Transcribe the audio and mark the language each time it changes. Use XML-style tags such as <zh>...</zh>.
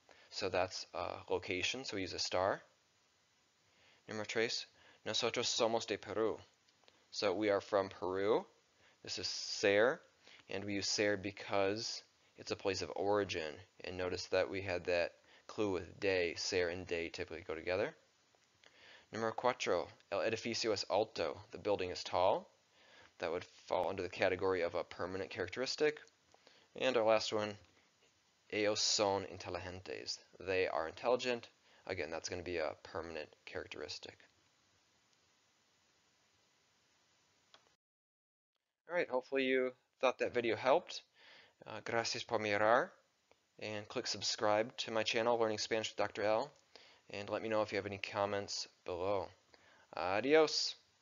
<en>So that's a location, so we use a star.</en> <es>Número tres, nosotros somos de Peru.</es> <en>So we are from Peru. This is ser, and we use ser because it's a place of origin. And notice that we had that clue with de, ser and de typically go together.</en> <es>Número cuatro, el edificio es alto, the building is tall.</es> <en>That would fall under the category of a permanent characteristic. And our last one,</en> <es>Ellos son inteligentes.</es> <en>They are intelligent. Again, that's going to be a permanent characteristic. All right, hopefully you thought that video helped. Gracias por mirar. And click subscribe to my channel, Learning Spanish with Dr. L. And let me know if you have any comments below. Adios.</en>